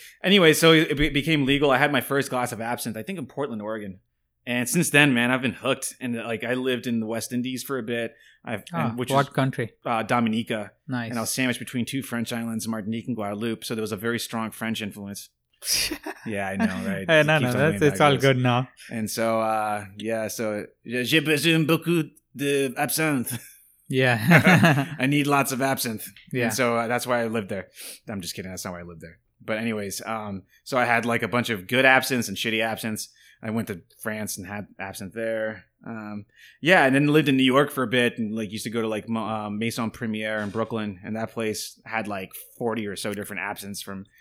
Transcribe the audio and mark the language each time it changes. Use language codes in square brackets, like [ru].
[en] Anyway, so it became legal. I had my first glass of absinthe, I think in Portland, Oregon. And since then, man, I've been hooked. And like, I lived in the West Indies for a bit. Country? Dominica. Nice. And I was sandwiched between two French islands, Martinique and Guadeloupe. So there was a very strong French influence. Yeah, I know, right? Hey, no, it's all good now. And so, [fr] j'ai besoin beaucoup de absinthe. [en] Yeah. I need lots of absinthe. Yeah. And so that's why I lived there. I'm just kidding. That's not why I lived there. But anyways, so I had like a bunch of good absinthe and shitty absinthe. I went to France and had absinthe there. And then lived in New York for a bit and like used to go to like Maison Premier in Brooklyn. And that place had like 40 or so different absinthe from